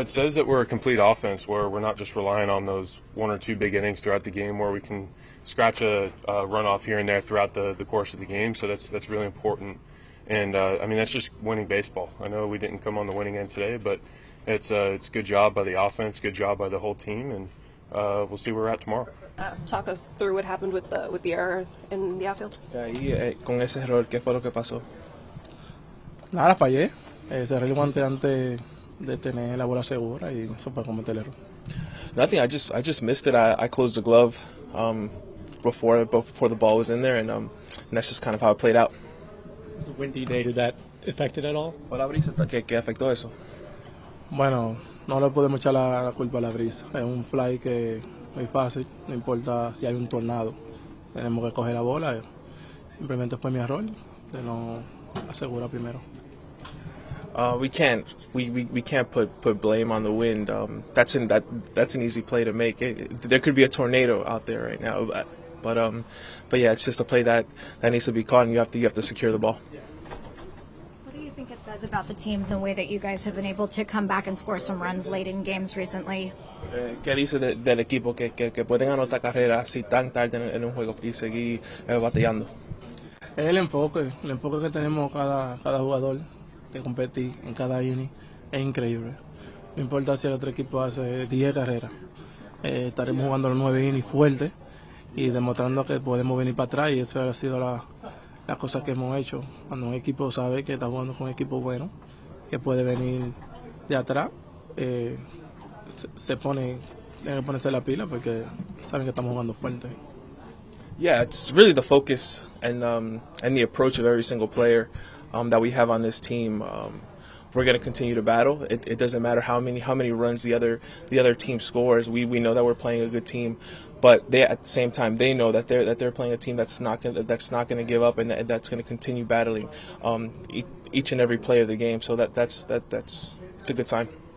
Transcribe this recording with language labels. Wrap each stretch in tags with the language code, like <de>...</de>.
<en>It says that we're a complete offense where we're not just relying on those one or two big innings throughout the game where we can scratch a runoff here and there throughout the course of the game. So that's really important. And, that's just winning baseball. I know we didn't come on the winning end today, but it's good job by the offense, good job by the whole team, and we'll see where we're at tomorrow. Talk us through what happened with the error in the outfield.</en> <es>Con ese error, ¿qué fue lo que pasó? Nada, fallé. Cerré el guante antes de tener la bola segura y eso fue cometer el error.</es> <en>Nothing, I just missed it. I closed the glove before the ball was in there, and that's just kind of how it played out. The windy day, did that affect it at all?</en> <es>¿O la brisa? ¿Qué afectó eso? Bueno, no le podemos echar la culpa a la brisa. Es un fly que muy fácil, no importa si hay un tornado. Tenemos que coger la bola. Simplemente fue mi error de no asegurar primero.</es> <en>We can't put blame on the wind. That's an easy play to make. There could be a tornado out there right now, but it's just a play that needs to be caught, and you have to secure the ball. What do you think it says about the team, the way that you guys have been able to come back and score some runs late in games recently?</en> <es>¿Qué dice del equipo que pueden anotar carreras si tan tarde en un juego y seguir batallando? El enfoque que tenemos cada jugador de competir en cada inning es increíble. No importa si el otro equipo hace 10 carreras, estaremos jugando los 9 innings fuerte y demostrando que podemos venir para atrás, y eso ha sido la cosa que hemos hecho. Cuando un equipo sabe que está jugando con un equipo bueno, que puede venir de atrás, tiene que ponerse la pila porque saben que estamos jugando fuerte.</es> <en>Yeah, it's really the focus and the approach of every single player that we have on this team. We're going to continue to battle. It doesn't matter how many runs the other team scores. We know that we're playing a good team, but they at the same time they know that they're playing a team that's not going to give up and that's going to continue battling each and every play of the game. So that's a good sign.</en>